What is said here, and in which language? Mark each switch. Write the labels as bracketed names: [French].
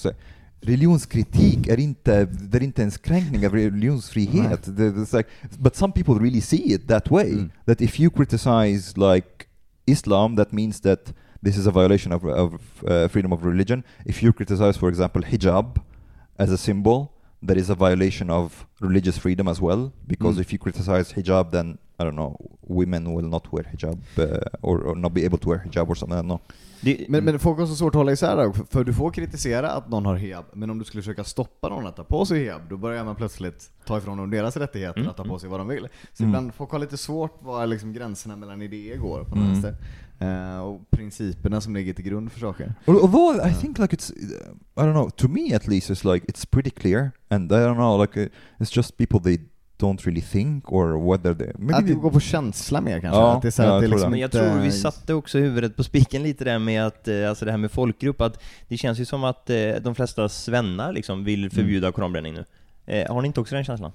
[Swedish] Och så, religionskritik är inte, det är inte en kränkning av religionsfrihet. [English] It's like, but some people really see it that way, that if you criticize like islam, that means that this is a violation of freedom of religion. If you criticize, for example, hijab as a symbol, that is a violation of religious freedom as well, because if you criticize hijab, then I don't know, women will not wear hijab or not be able to wear hijab or something. No. [Swedish] Men folk har så svårt att hålla isär här, för du får kritisera att någon har hijab, men om du skulle försöka stoppa någon att ta på sig hijab, då börjar man plötsligt ta ifrån dem deras rättigheter att ta på sig vad de vill. Så ibland folk har lite svårt var liksom gränserna mellan idéer går på något sätt. Och principerna som ligger till grund för saker. [English] Although I think like it's, I don't know, to me at least it's like it's pretty clear, and I don't know, like it's just people they don't really think or whether they [Swedish] maybe att gå på känsla mer kanske. Ja, att det är så, ja, att det liksom, men jag tror vi satte också huvudet på spiken lite där med att alltså det här med folkgrupp, att det känns ju som att de flesta svennar liksom vill förbjuda koranbränning nu. Har ni inte också den känslan?